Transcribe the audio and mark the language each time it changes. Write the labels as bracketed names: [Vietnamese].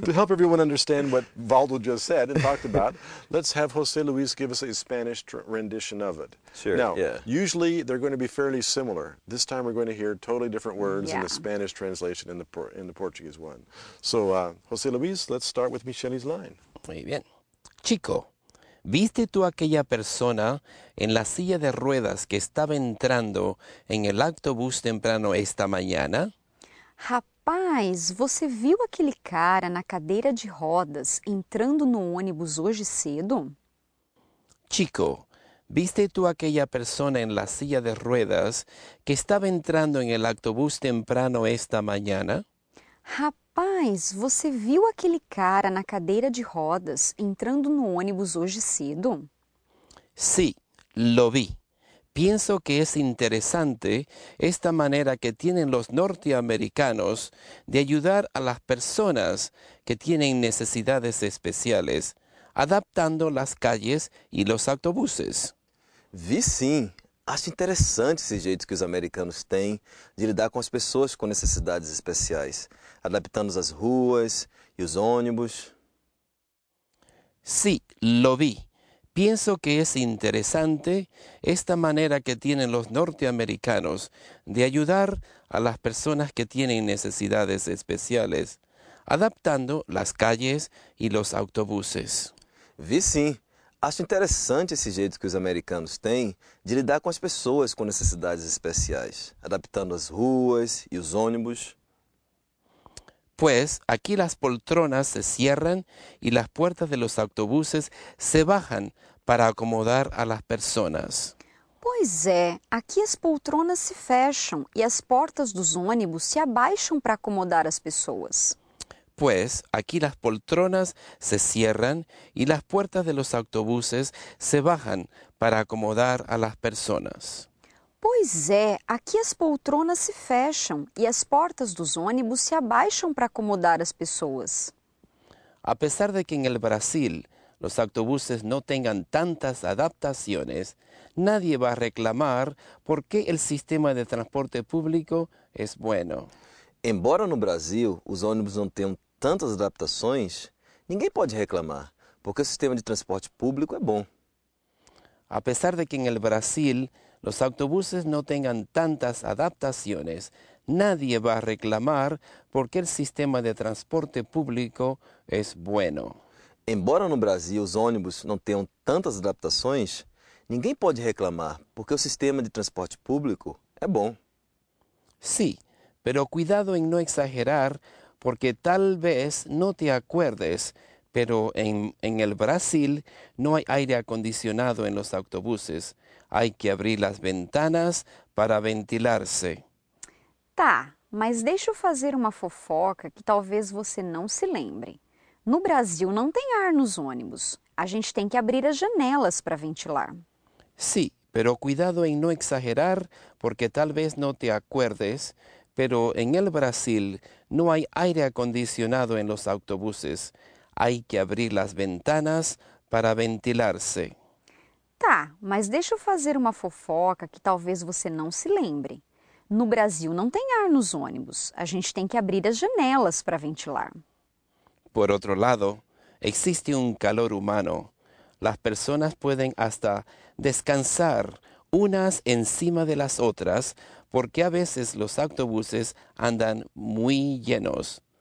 [English] To help everyone understand what Valdo just said and talked about, let's have Jose Luis give us a Spanish rendition of it. Sure. Now, yeah. Usually they're going to be fairly similar. This time we're going to hear totally different words in the Spanish translation and in the Portuguese one. So, Jose Luis, let's start with Michele's line. [Spanish] Muy bien. Chico. ¿Viste tú aquella persona en la silla de ruedas que estaba entrando en el autobús temprano esta mañana? [Portuguese] Rapaz, ¿você viu aquele cara na cadeira de rodas entrando no ônibus hoje cedo? [Spanish] Chico, ¿viste tú aquella persona en la silla de ruedas que estaba entrando en el autobús temprano esta mañana? [Portuguese] Rapaz, você viu aquele cara na cadeira de rodas entrando no ônibus hoje cedo? [Spanish] Sí, lo vi. Pienso que es interesante esta manera que tienen los norteamericanos de ayudar a las personas que tienen necesidades especiales, adaptando las calles y los autobuses. [Portuguese] Vi sim. Acho interessante esse jeito que os americanos têm de lidar com as pessoas com necessidades especiais, adaptando as ruas e os ônibus. [Spanish] Sí, lo vi. Pienso que es interesante esta manera que tienen los norteamericanos de ayudar a las personas que tienen necesidades especiales, adaptando las calles y los autobuses. [Portuguese] Vi sim. Acho interessante esse jeito que os americanos têm de lidar com as pessoas com necessidades especiais, adaptando as ruas e os ônibus. [Spanish] Pues aquí las poltronas se cierran y las puertas de los autobuses se bajan para acomodar a las personas. [Portuguese] Pois é, aqui as poltronas se fecham e as portas dos ônibus se abaixam para acomodar as pessoas. [Spanish] Pues aquí las poltronas se cierran y las puertas de los autobuses se bajan para acomodar a las personas. [Portuguese] Pois é, aqui as poltronas se fecham e as portas dos ônibus se abaixam para acomodar as pessoas. [Spanish] A pesar de que en el Brasil los autobuses no tengan tantas adaptaciones, nadie va a reclamar porque el sistema de transporte público es bueno. [Portuguese] Embora no Brasil os ônibus não tenham tantas adaptações, ninguém pode reclamar, porque o sistema de transporte público é bom. [Spanish] Apesar de que en el Brasil los autobuses no tengan tantas adaptaciones, nadie va a reclamar porque el sistema de transporte público es bueno. [Portuguese] Embora no Brasil os ônibus não tenham tantas adaptações, ninguém pode reclamar, porque o sistema de transporte público é bom. [Spanish] Sí, pero cuidado en no exagerar, porque tal vez no te acuerdes, pero en el Brasil no hay aire acondicionado en los autobuses. Hay que abrir las ventanas para ventilarse. [Portuguese] Tá, mas deixa eu fazer uma fofoca que talvez você não se lembre. No Brasil não tem ar nos ônibus. A gente tem que abrir as janelas para ventilar. [Spanish] Sí, pero cuidado en no exagerar, porque tal vez no te acuerdes, pero en el Brasil no hay aire acondicionado en los autobuses. Hay que abrir las ventanas para ventilarse. [Portuguese] Tá, mas deixa eu fazer uma fofoca que talvez você não se lembre. No Brasil não tem ar nos ônibus. A gente tem que abrir as janelas para ventilar. [Spanish] Por otro lado, existe un calor humano. Las personas pueden hasta descansar unas encima de las otras porque a veces los autobuses andan muy llenos.